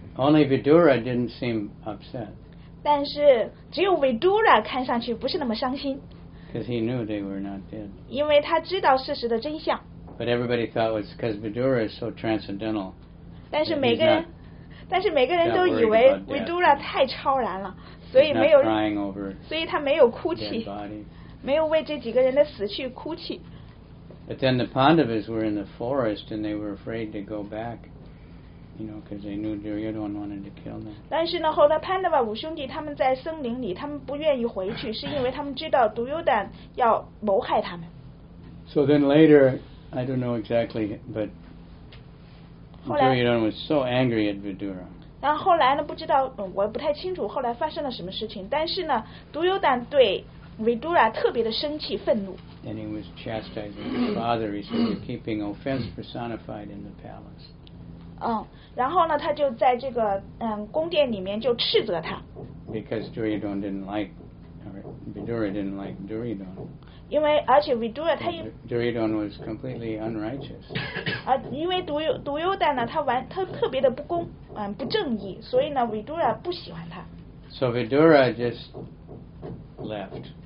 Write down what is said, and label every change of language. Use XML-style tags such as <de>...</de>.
<en>Only Vidura didn't seem upset.</en> <zh>但是只有 Vidura 看上去不是那么伤心。</zh> <en>Because he knew they were not dead.</en> <zh>因为他知道事实的真相。</zh> <en>But everybody thought it was because Vidura is so transcendental.</en> <zh>但是每个人都以为 Vidura 太超然了。所以没有，所以他没有哭泣，没有为这几个人的死去哭泣。</zh> <en>But then the Pandavas were in the forest and they were afraid to go back, you know, because they knew Duryodhana wanted to kill them.</en> <zh>但是呢，后来 Pandava 五兄弟他们在森林里，他们不愿意回去，是因为他们知道 Duryodhana 要谋害他们。</zh> <en>So then later, I don't know exactly, but Duryodhana was so angry at Vidura.</en> <zh>然后后来呢不知道我不太清楚后来发生了什么事情但是呢独优丹对维杜拉特别的生气愤怒</zh> <en>and he was chastising his father he said you're keeping offense personified in the palace</en> <zh>然后呢他就在这个宫殿里面就斥责他</zh> <en>because Duryodhana didn't like Vidura didn't like Duryodhana.</en> <zh>因为而且 Vidura 他</zh> <en>Duryodhana was completely unrighteous.</en> <zh>因为独优丹呢，他特别的不公，不正义，所以呢 Vidura 不喜欢他。</zh> <en>So Vidura just left.</en>